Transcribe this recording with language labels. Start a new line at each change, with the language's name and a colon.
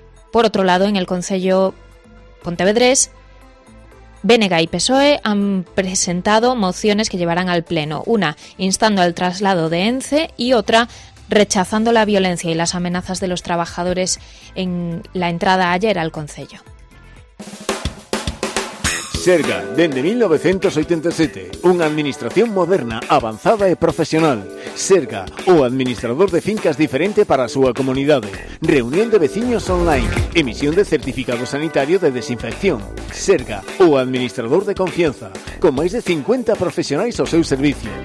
Spanish: Por otro lado, en el Concello Pontevedrés, BNG y PSOE han presentado mociones que llevarán al Pleno, una instando al traslado de ENCE y otra rechazando la violencia y las amenazas de los trabajadores en la entrada ayer al Concello.
Galician: SERGA, dende 1987, unha administración moderna, avanzada e profesional. SERGA, o administrador de fincas diferente para a súa comunidade. Reunión de veciños online, emisión de certificado sanitario de desinfección. SERGA, o administrador de confianza, con máis de 50 profesionais ao seu servicio.